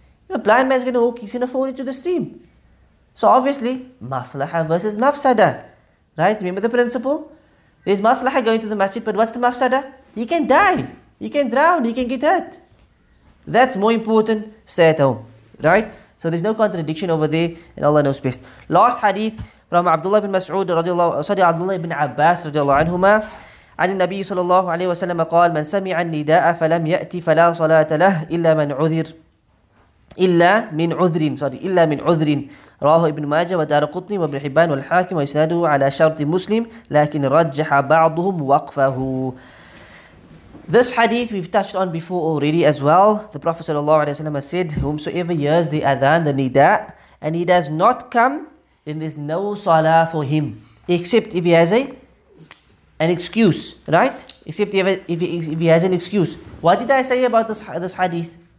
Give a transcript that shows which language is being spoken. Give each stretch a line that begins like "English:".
English: A blind man's going to walk, he's going to fall into the stream. So obviously, maslaha versus mafsada. Right? Remember the principle? There's maslaha going to the masjid, but what's the mafsada? He can die. He can drown. He can get hurt. That's more important. Stay at home. Right? So there's no contradiction over there, and Allah knows best. Last hadith from Abdullah ibn Mas'ud, Abdullah ibn Abbas, radiallahu anhumah.
Arabic: عن النبي صلى الله عليه وسلم قال من سمع النداء فلم يأتي فلا صلاة له إلا من عذر إلا من عذر رواه ابن ماجة ودارقطني وابن حبان والحاكم وإسناده على شرط مسلم لكن رجح بعضهم وقفه.
English: This hadith we've touched on before already as well. The Prophet صلى الله عليه وسلم said, whomsoever hears the adhan, the nida, and he does not come, then there's no salah for him except if he has an excuse, right? Except if he has an excuse. What did I say about this hadith?